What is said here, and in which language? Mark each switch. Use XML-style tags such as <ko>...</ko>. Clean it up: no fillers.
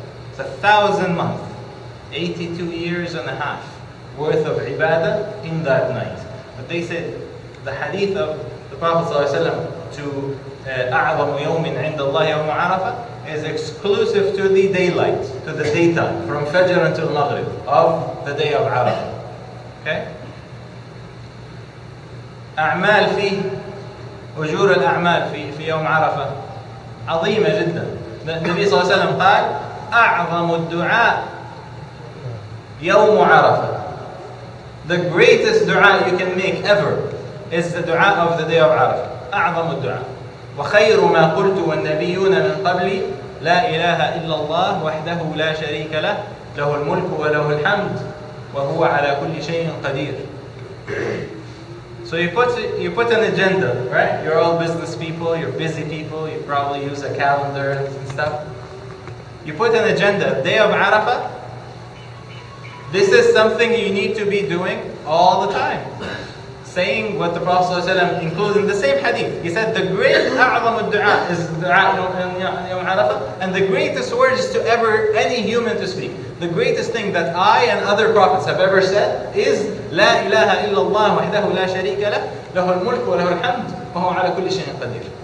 <en>It's 1,000 months, 82 years and a half worth of ibadah in that night. But they said the hadith of the Prophet ﷺ to</en> <ar>أعظم يوم عند الله يوم عرفة</ar> <en>is exclusive to the daylight, to the daytime, from Fajr until Maghrib of the day of Arafah. Okay?</en> <ar>أعمال فيه أجور الأعمال في يوم عرفة عظيمة جدا. النبي صلى الله عليه وسلم قال أعظم الدعاء يوم عرفة.</ar> <en>The greatest دعاء you can make ever is the دعاء of the day of عرفة.</en> <ar>أعظم الدعاء وخير ما قلت والنبيون من قبلي لا إله إلا الله وحده لا شريك له له الملك وله الحمد وهو على كل شيء قدير.</ar> <en>So you put an agenda, right? You're all business people, you're busy people, you probably use a calendar and stuff. You put an agenda, day of Arafah, this is something you need to be doing all the time. Saying what the Prophet ﷺ includes in the same hadith. He said the greatest</en> <ar>أعظم الدعاء</ar> <en>is du'a in يوم Arafah, and the greatest words to ever any human to speak. The greatest thing that I and other prophets have ever said is</en> <ar>لا إله إلا الله وحده لا شريك له له الملك وله الحمد وهو على كل شيء قدير.</ar>